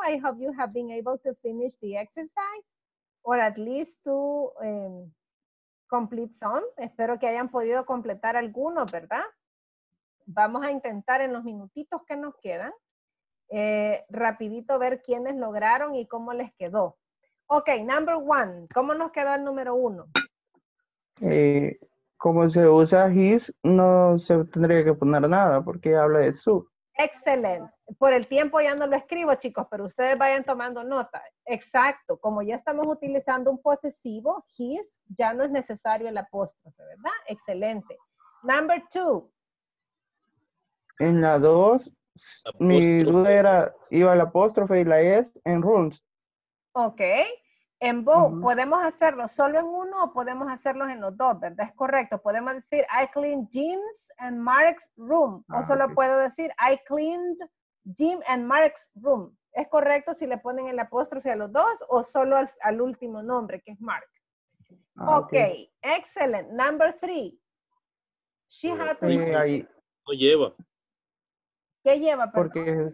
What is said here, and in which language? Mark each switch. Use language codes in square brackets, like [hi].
[en] I hope you have been able to finish the exercise or at least to complete some. [es] Espero que hayan podido completar algunos, ¿verdad? Vamos a intentar en los minutitos que nos quedan rapidito ver quiénes lograron y cómo les quedó. [en] Ok, number one. [es] ¿Cómo nos quedó el número uno? Como se usa his, no se tendría que poner nada porque habla de su. Excelente. Por el tiempo ya no lo escribo, chicos, pero ustedes vayan tomando nota. Exacto. Como ya estamos utilizando un posesivo, his, ya no es necesario el apóstrofe, ¿verdad? Excelente. [en] Number two. [es] En la dos, mi duda era, iba el apóstrofe y la S en runes. Ok. En both, ¿podemos hacerlo solo en uno o podemos hacerlo en los dos, verdad? Es correcto. Podemos decir, [en] I cleaned Jim's and Mark's room. [es] O solo puedo decir, [en] I cleaned Jim and Mark's room. [es] ¿Es correcto si le ponen el apóstrofe a los dos o solo al último nombre, que es Mark? [en] Okay. Excellent. Number three. She had to... [es] No lleva. ¿Qué lleva? Perdón. Porque es...